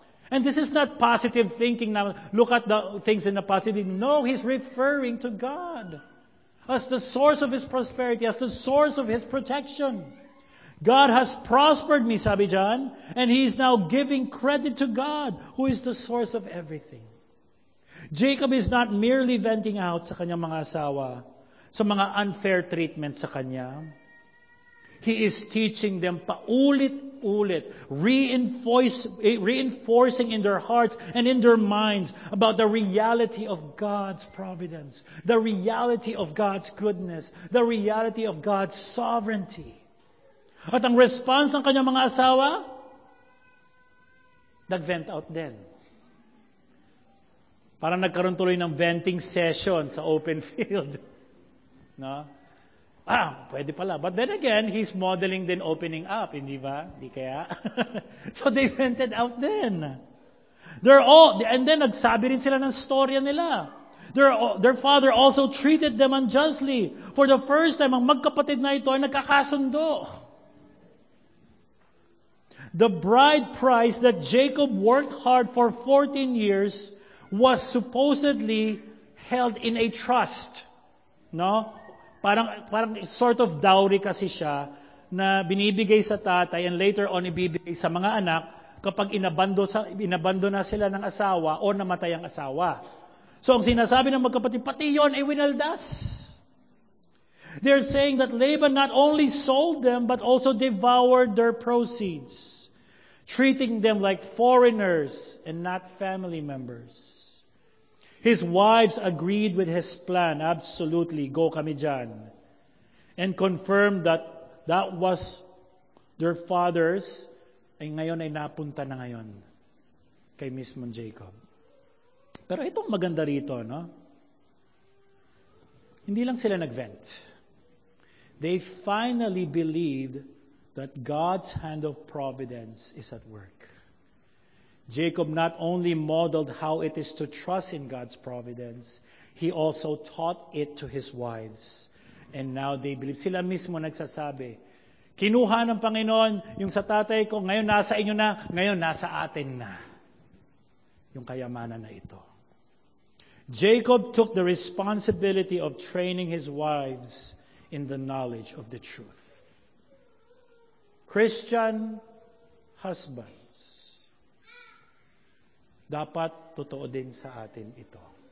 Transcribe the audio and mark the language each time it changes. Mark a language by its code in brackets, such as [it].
[en] And this is not positive thinking now. Look at the things in the positive. No, he's referring to God as the source of his prosperity, as the source of his protection. God has prospered me, [tl] sabi [en] John, and he's now giving credit to God, who is the source of everything. Jacob is not merely venting out [tl] sa kanyang mga asawa, sa mga [en] unfair treatment [tl] sa kanya. [en] He is teaching them [tl] paulit-ulit, [en] reinforcing in their hearts and in their minds about the reality of God's providence, the reality of God's goodness, the reality of God's sovereignty. [tl] At ang response ng kanyang mga asawa, nag-vent out din. Parang nagkaroon tuloy ng [en] venting session [tl] sa open field. No? Ah, pwede pala. [en] But then again, he's modeling then opening up, [tl] hindi ba? Hindi kaya? [en] So they vented out then. And then [tl] nagsabi rin sila ng storya nila. [en] Their father also treated them unjustly. For the first time, [tl] ang magkapatid na ito ay nagkakasundo. [en] The bride price that Jacob worked hard for 14 years was supposedly held in a trust. [tl] No? Parang [en] sort of dowry [tl] kasi siya na binibigay sa tatay [en] and later on [tl] ibibigay sa mga anak kapag inabando na sila ng asawa o namatay ang asawa. So ang sinasabi ng magkapatid, pati yon ay winaldas. [en] They're saying that Laban not only sold them but also devoured their proceeds, treating them like foreigners and not family members. His wives agreed with his plan, absolutely, [tl] go kami dyan. [en] And confirmed that was their father's, [tl] ay ngayon ay napunta na ngayon kay mismo Jacob. Pero itong maganda rito, no? Hindi lang sila nag-vent. [en] They finally believed that God's hand of providence is at work. Jacob not only modeled how it is to trust in God's providence, he also taught it to his wives. And now they believe. [tl] Sila mismo nagsasabi, kinuha ng Panginoon yung sa tatay ko, ngayon nasa inyo na, ngayon nasa atin na. Yung kayamanan na ito. [en] Jacob took the responsibility of training his wives in the knowledge of the truth. Christian husband, [tl] dapat totoo din sa atin ito.